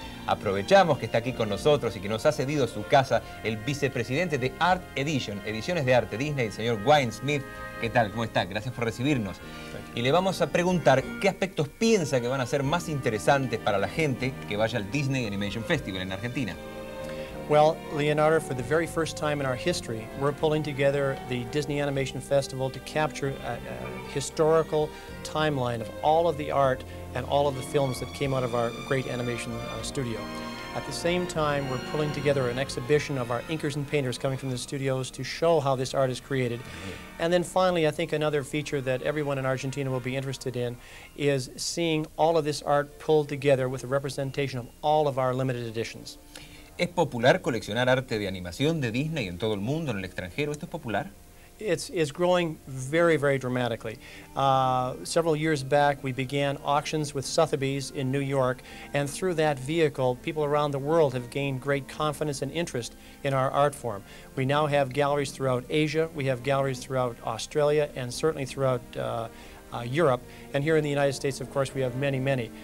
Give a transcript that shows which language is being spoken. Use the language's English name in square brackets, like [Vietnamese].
[Spanish] Aprovechamos que está aquí con nosotros y que nos ha cedido su casa el vicepresidente de Art Edition, Ediciones de Arte Disney, el señor Wayne Smith. ¿Qué tal? ¿Cómo está? Gracias por recibirnos. Y le vamos a preguntar qué aspectos piensa que van a ser más interesantes para la gente que vaya al Disney Animation Festival en Argentina. [English] Well, Leonardo, for the very first time in our history, we're pulling together the Disney Animation Festival to capture a historical timeline of all of the art and all of the films that came out of our great animation studio. At the same time, we're pulling together an exhibition of our inkers and painters coming from the studios to show how this art is created. And then finally, I think another feature that everyone in Argentina will be interested in is seeing all of this art pulled together with a representation of all of our limited editions. [Spanish] ¿Es popular coleccionar arte de animación de Disney en todo el mundo, en el extranjero? ¿Esto es popular? [English] It's growing very, very dramatically. Several years back, we began auctions with Sotheby's in New York, and through that vehicle, people around the world have gained great confidence and interest in our art form. We now have galleries throughout Asia, we have galleries throughout Australia, and certainly throughout Europe, and here in the United States, of course, we have many, many.